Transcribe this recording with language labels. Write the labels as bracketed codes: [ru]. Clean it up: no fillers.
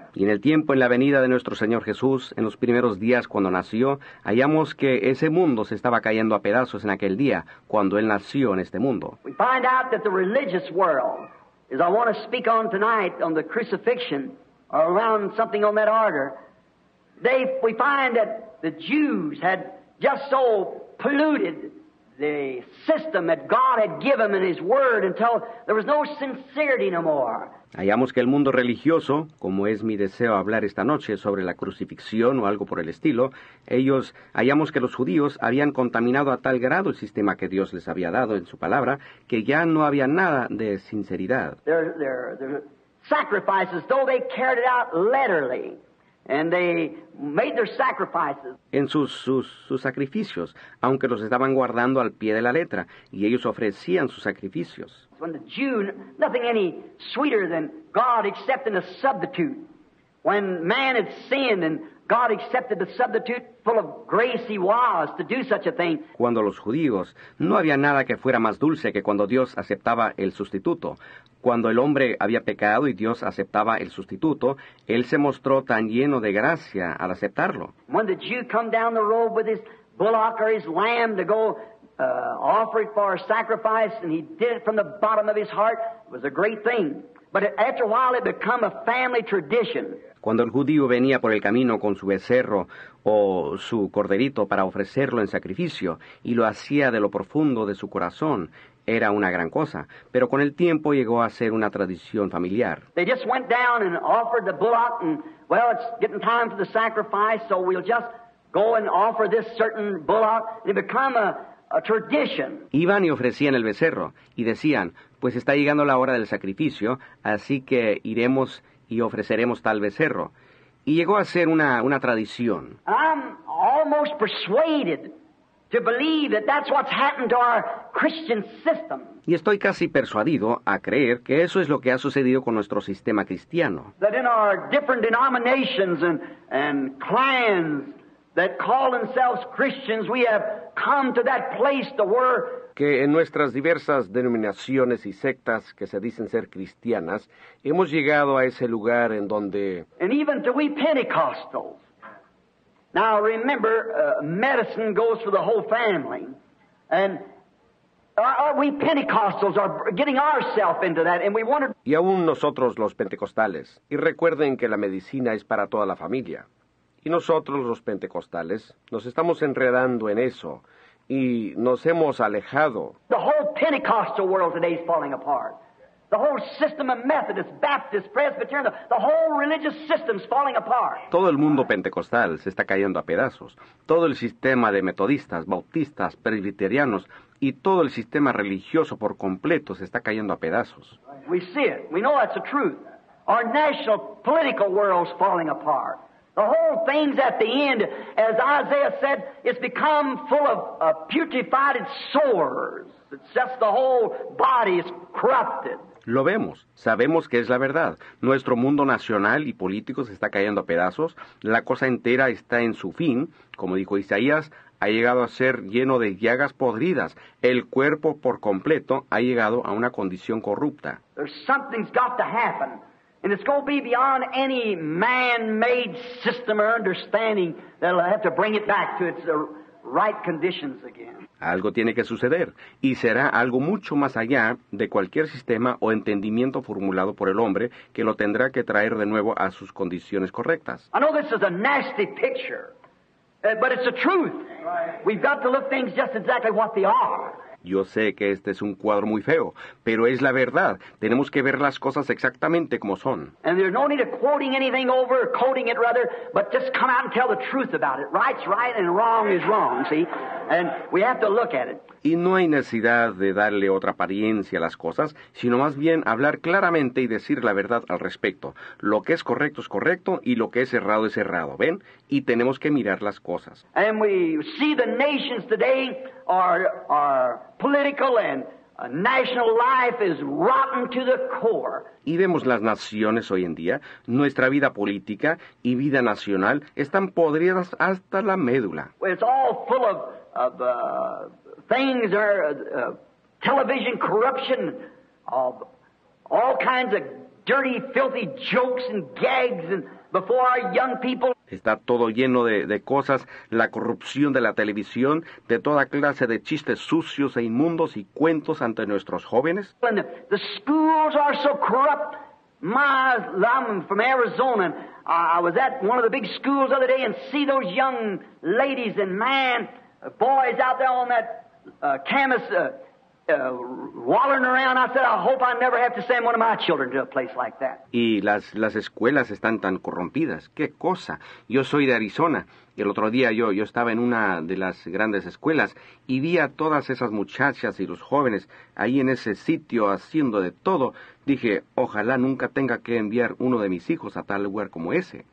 [es] Y en el tiempo, en la venida de nuestro Señor Jesús, en los primeros días cuando nació, hallamos que ese mundo se estaba cayendo a pedazos en aquel día, cuando Él nació en este mundo. [en] We find out that the religious world, as I want to speak on tonight, on the crucifixion, or around something on that order, we find that the Jews had just so polluted the system that God had given in His Word until there was no sincerity no more. [es] Hallamos que el mundo religioso, como es mi deseo hablar esta noche sobre la crucifixión o algo por el estilo, hallamos que los judíos habían contaminado a tal grado el sistema que Dios les había dado en su palabra, que ya no había nada de sinceridad. [en] Their sacrifices, though they carried it out literally, and they made their sacrifices. [es] En sus sacrificios, aunque los estaban guardando al pie de la letra, y ellos ofrecían sus sacrificios. [en] When the Jew, nothing any sweeter than God accepting a substitute. When man had sinned and God accepted the substitute, full of grace he was to do such a thing. [es] Cuando los judíos, no había nada que fuera más dulce que cuando Dios aceptaba el sustituto. Cuando el hombre había pecado y Dios aceptaba el sustituto, él se mostró tan lleno de gracia al aceptarlo. [en] When the Jew come down the road with his bullock or his lamb to go offer it for a sacrifice, and he did it from the bottom of his heart, it was a great thing. But after a while it became a family tradition. [es] Cuando el judío venía por el camino con su becerro o su corderito para ofrecerlo en sacrificio y lo hacía de lo profundo de su corazón, era una gran cosa, pero con el tiempo llegó a ser una tradición familiar. [en] They just went down and offered the bullock, and well, it's getting time for the sacrifice, so we'll just go and offer this certain bullock. It became a tradition. [es] Iban y ofrecían el becerro y decían, pues está llegando la hora del sacrificio, así que iremos y ofreceremos tal becerro. Y llegó a ser una tradición. [en] I'm almost persuaded to believe that that's what's happened to our Christian system. [es] Y estoy casi persuadido a creer que eso es lo que ha sucedido con nuestro sistema cristiano. [en] That in our different denominations and clans that call themselves Christians, we have come to that place to where [es] que en nuestras diversas denominaciones y sectas que se dicen ser cristianas, hemos llegado a ese lugar en donde [en] and even to we Pentecostals. Now remember, medicine goes for the whole family. And we Pentecostals are getting ourselves into that, and we wonder [es] y aún nosotros los pentecostales. Y recuerden que la medicina es para toda la familia. Y nosotros los pentecostales nos estamos enredando en eso. Y nos hemos alejado. [en] The whole Pentecostal world today is falling apart. The whole system of Methodists, Baptists, Presbyterians, the whole religious system is falling apart. [es] Todo el mundo pentecostal se está cayendo a pedazos. Todo el sistema de metodistas, bautistas, presbiterianos y todo el sistema religioso por completo se está cayendo a pedazos. [en] We see it. We know that's the truth. Our national political world is falling apart. The whole thing's at the end, as Isaiah said, it's become full of putrefied sores. It's just the whole body is corrupted. [es] Lo vemos. Sabemos que es la verdad. Nuestro mundo nacional y político se está cayendo a pedazos. La cosa entera está en su fin. Como dijo Isaías, ha llegado a ser lleno de llagas podridas. El cuerpo por completo ha llegado a una condición corrupta. [en] There's something's got to happen. And it's going to be beyond any man-made system or understanding that'll have to bring it back to its right conditions again. [es] Algo tiene que suceder, y será algo mucho más allá de cualquier sistema o entendimiento formulado por el hombre que lo tendrá que traer de nuevo a sus condiciones correctas. [en] I know this is a nasty picture, but it's the truth. Right. We've got to look things just exactly what they are. [es] Yo sé que este es un cuadro muy feo, pero es la verdad. Tenemos que ver las cosas exactamente como son. [en] And there's no need of quoting anything over, or quoting it rather, but just come out and tell the truth about it. Right's right and wrong is wrong, see? And we have to look at it. [es] Y no hay necesidad de darle otra apariencia a las cosas, sino más bien hablar claramente y decir la verdad al respecto. Lo que es correcto y lo que es errado, ¿ven? Y tenemos que mirar las cosas. [en] And we see the nations today are political and national life is rotten to the core. [es] Y vemos las naciones hoy en día, nuestra vida política y vida nacional están podridas hasta la médula. [en] It's all full of things are television corruption of all kinds of dirty, filthy jokes and gags and before our young people. [es] Está todo lleno de cosas, la corrupción de la televisión, de toda clase de chistes sucios e inmundos y cuentos ante nuestros jóvenes. [en] And the schools are so corrupt. I'm from Arizona. I was at one of the big schools the other day and see those young ladies and man, boys out there on that canvas wallowing around. I said, I hope I never have to send one of my children to a place like that. [es] Y las escuelas están tan corrompidas. ¿Qué cosa? Yo soy de Arizona. Y el otro día yo estaba en una de las grandes escuelas y vi a todas esas muchachas y los jóvenes ahí en ese sitio haciendo de todo. Dije, ojalá nunca tenga que enviar uno de mis hijos a tal lugar como ese.